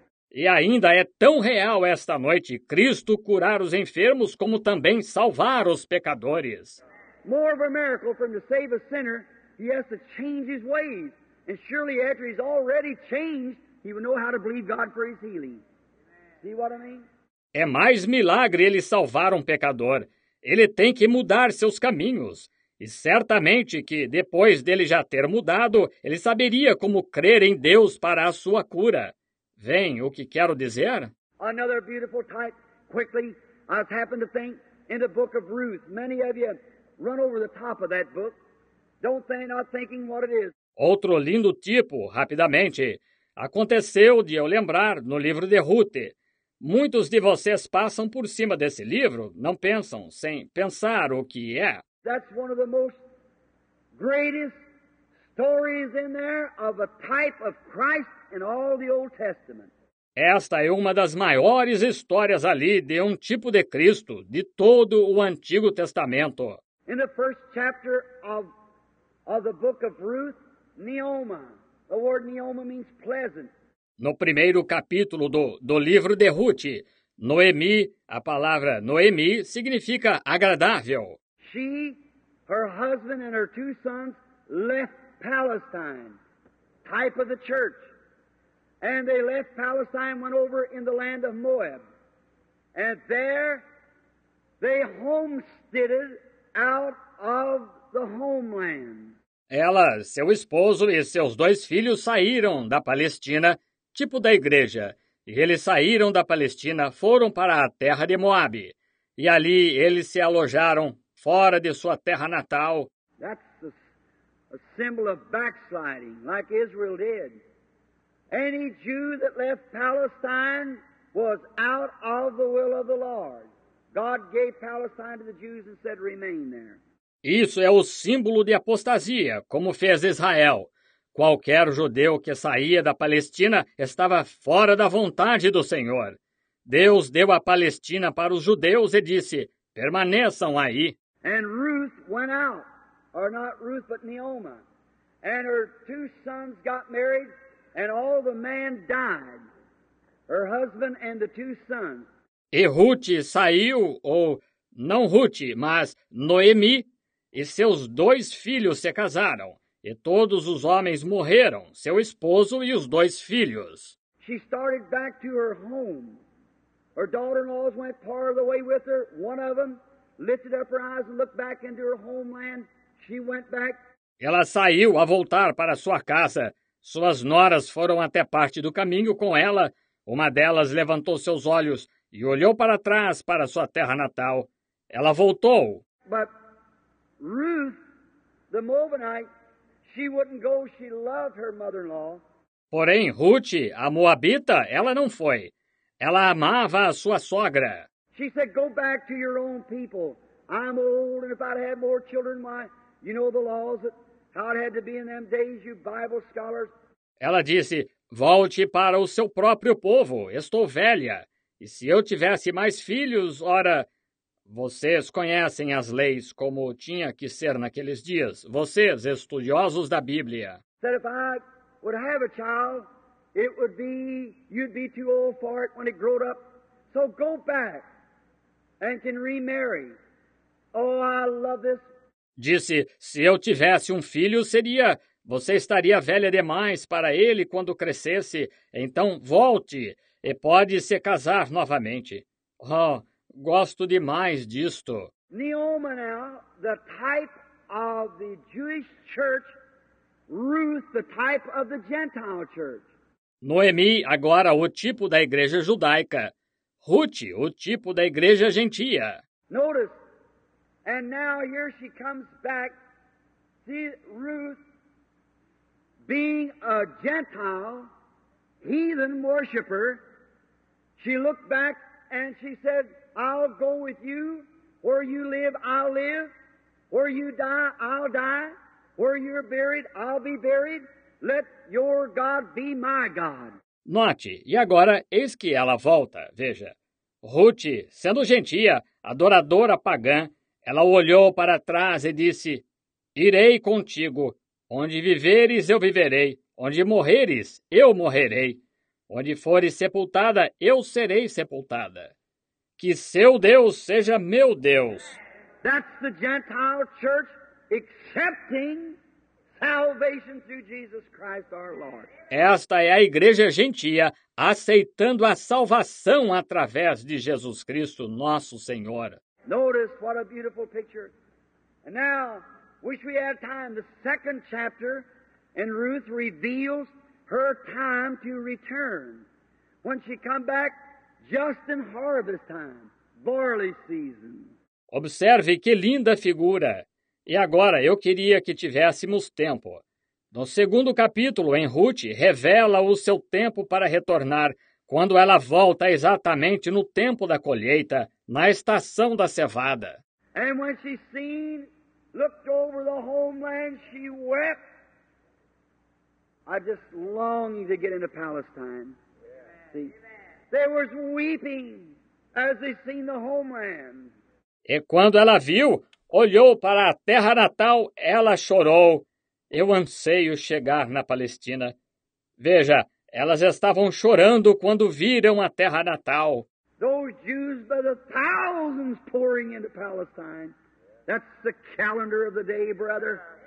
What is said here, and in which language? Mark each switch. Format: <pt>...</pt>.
<pt>E ainda é tão real esta noite Cristo curar os enfermos como também salvar os pecadores.</pt> <en>More of a miracle for him to save a sinner, he has to change his ways. And surely after he's already changed, he will know how to believe God for his healing. See what I mean?</en> <pt>É mais milagre ele salvar um pecador. Ele tem que mudar seus caminhos. E certamente que depois dele já ter mudado, ele saberia como crer em Deus para a sua cura. Vem, o que quero dizer?</pt> <en>Another beautiful type, quickly, I happen to think, in the book of Ruth, many of you run over the top of that book. Don't think, not thinking what it is.</en> <pt>Outro lindo tipo, rapidamente. Aconteceu de eu lembrar no livro de Ruth. Muitos de vocês passam por cima desse livro, não pensam, sem pensar o que é.</pt> <en>That's one of the most greatest stories in there of a type of Christ in all the Old Testament.</en> <pt>Esta é uma das maiores histórias ali de um tipo de Cristo de todo o Antigo Testamento.</pt> <en>In the first chapter of the book of Ruth, Naomi. The word Naomi means pleasant.</en> <pt>No primeiro capítulo do livro de Ruth, Noemi, a palavra Noemi significa agradável.</pt> <en>She, her husband and her two sons left Palestine, type of the church. And they left Palestine, went over in the land of Moab. And there they homesteaded out of the homeland.</en> <pt>Ela, seu esposo e seus dois filhos saíram da Palestina, tipo da igreja. E eles saíram da Palestina, foram para a terra de Moab. E ali eles se alojaram fora de sua terra natal.</pt> <en>That's a symbol of backsliding, like Israel did. Any Jew that left Palestine was out of the will of the Lord. God gave Palestine to the Jews and said, remain there.</en> <pt>Isso é o símbolo de apostasia, como fez Israel. Qualquer judeu que saía da Palestina estava fora da vontade do Senhor. Deus deu a Palestina para os judeus e disse, permaneçam aí.</pt> <en>And Ruth went out, or not Ruth, but Naomi. And her two sons got married, and all the men died. Her husband and the two sons.</en> <pt>E Ruth saiu, ou não Ruth, mas Noemi, e seus dois filhos se casaram. E todos os homens morreram, seu esposo e os dois filhos.</pt> <en>She started back to her home. Her daughter-in-law went part of the way with her, one of them. Lifted up her eyes and looked back into her homeland. She went back.</en> <pt>Ela saiu a voltar para sua casa. Suas noras foram até parte do caminho com ela. Uma delas levantou seus olhos e olhou para trás para sua terra natal. Ela voltou.</pt> <en>But Ruth, the Moabite, she wouldn't go. She loved her mother-in-law.</en> <pt>Porém, Ruth, a Moabita, ela não foi. Ela amava a sua sogra.</pt> <en>She said, go back to your own people. I'm old, and if I'd had more children, why, you know the laws, that how it had to be in them days, you Bible scholars.</en> <pt>Ela disse, volte para o seu próprio povo. Estou velha. E se eu tivesse mais filhos, ora, vocês conhecem as leis como tinha que ser naqueles dias. Vocês, estudiosos da Bíblia.</pt> <en>Said, if I would have a child, it would be, you'd be too old for it when it grew up. So go back. And can remarry. Oh, I love this.</en> <pt>Disse, se eu tivesse um filho, seria, você estaria velha demais para ele quando crescesse. Então volte e pode se casar novamente. Oh, gosto demais disto.</pt> <en>Naomi now, the type of the Jewish church. Ruth, the type of the Gentile church.</en> <pt>Noemi, agora o tipo da igreja judaica. Ruth, o tipo da igreja gentia.</pt> <en>Notice, and now here she comes back. See, Ruth, being a Gentile, heathen worshiper, she looked back and she said, I'll go with you. Where you live, I'll live. Where you die, I'll die. Where you're buried, I'll be buried. Let your God be my God.</en> <pt>Note, e agora, eis que ela volta, veja. Ruth, sendo gentia, adoradora pagã, ela olhou para trás e disse: Irei contigo. Onde viveres, eu viverei. Onde morreres, eu morrerei. Onde fores sepultada, eu serei sepultada. Que seu Deus seja meu Deus.</pt> <en>That's the Gentile church accepting salvation through Jesus Christ our Lord.</en> <pt>Esta é a igreja gentia aceitando a salvação através de Jesus Cristo, nosso Senhor.</pt> <en>Notice what a beautiful picture. And now, wish we had time. The second chapter in Ruth reveals her time to return. When she come back, just in harvest time, barley season.</en> <pt>Observe que linda figura. E agora eu queria que tivéssemos tempo. No segundo capítulo, em Ruth, revela o seu tempo para retornar, quando ela volta exatamente no tempo da colheita, na estação da cevada.</pt> <en>And when she seen, looked over the homeland, she wept. I just longed to get into Palestine. See, there was weeping as they seen the homeland.</en> <pt>E quando ela viu, olhou para a terra natal, ela chorou. Eu anseio chegar na Palestina. Veja, elas estavam chorando quando viram a terra natal.</pt> <en>Those Jews by the thousands pouring into Palestine. That's the calendar of the day, brother.</en>